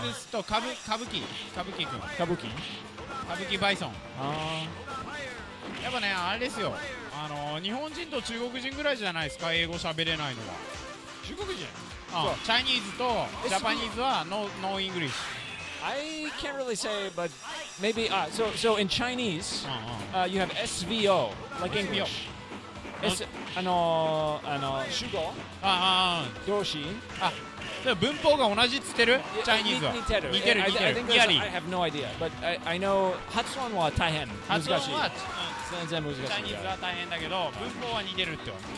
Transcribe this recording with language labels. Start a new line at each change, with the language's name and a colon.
Japanese: Next と歌舞伎。歌舞伎くん。歌舞伎バイソン。やっぱね、あれですよ。日本人と中国人ぐらいじゃないですか、英語喋れないのは。中国人、チャイニーズとジャパニーズはノーイングリッシュ。
English: I can't really say, but maybe, so in Chinese, you have SVO, like English.
Japanese: あの、主語、動詞。あ、文法が同じっつってる？チャイニーズは。似てる。
English: I have no idea, but I know
Japanese: 発音は大変難しい。発音は、全然難しい。チャイニーズは大変だけど、文法は似てるってわ